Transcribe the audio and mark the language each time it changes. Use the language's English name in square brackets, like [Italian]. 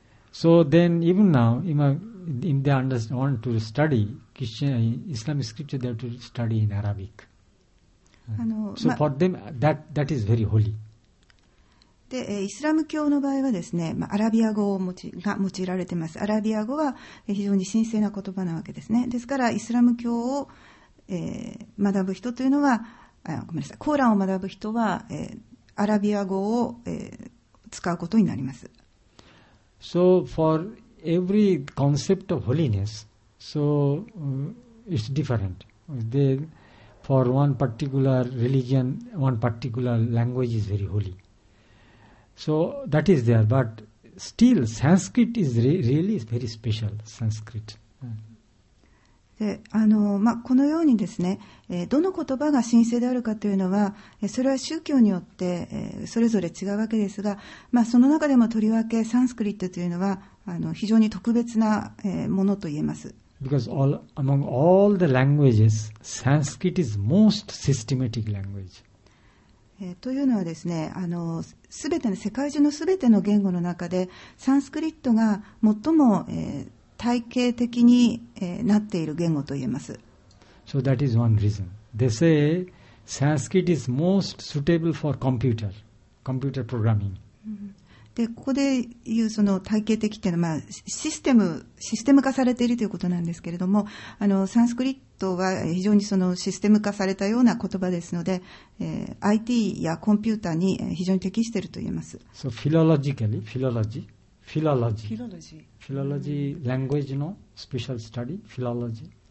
[English] So then even now, if they want to study Islamic scripture, they have to study in Arabic. So for them, that is very holy. [Japanese] でイスラム教の場合はですね、アラビア語が用いられています。アラビア語は非常に神聖な言葉なわけですね。ですからイスラム教を、学ぶ人というのは、ごめんなさい、コーランを学ぶ人は、アラビア語を、使うことになります。 [English] So for every concept of holiness, so it's different. For one particular religion, one particular language is very holySo that is there, but still Sanskrit is really very special. Sanskrit. [Japanese] で、このようにですね、どの言葉が神聖であるかというのは、それは宗教によって、それぞれ違うわけですが、その中でもとりわけサンスクリットというのは非常に特別な、ものと言えます。 [English] Because among all the languages, Sanskrit is most systematic language. [Japanese] というのはですね、世界中のすべての言語の中でサンスクリットが最も、体系的に、なっている言語といえます。 [English] So that is one reason. They say Sanskrit is most suitable for computer programming. [Japanese] でここでいうその体系的というのは、まあ、システム化されているということなんですけれども、あのサンスクリットは非常にそのシステム化されたような言葉ですので、IT やコンピューターに非常に適していると言えます。 [English] So, philologically, philology language の special study philology、